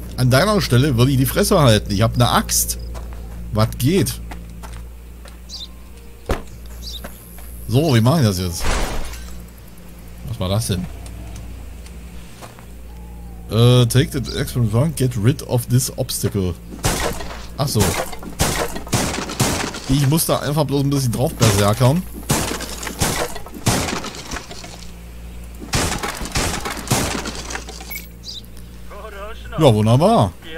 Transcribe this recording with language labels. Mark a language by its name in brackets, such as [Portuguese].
[German] An deiner Stelle würde ich die Fresse halten. Ich hab eine Axt. Was geht? So, wie mache ich das jetzt? Was war das denn? [English] Take the experiment run, get rid of this obstacle. [German] Ach so. Ich muss da einfach bloß ein bisschen drauf berserkern. Ja, wunderbar.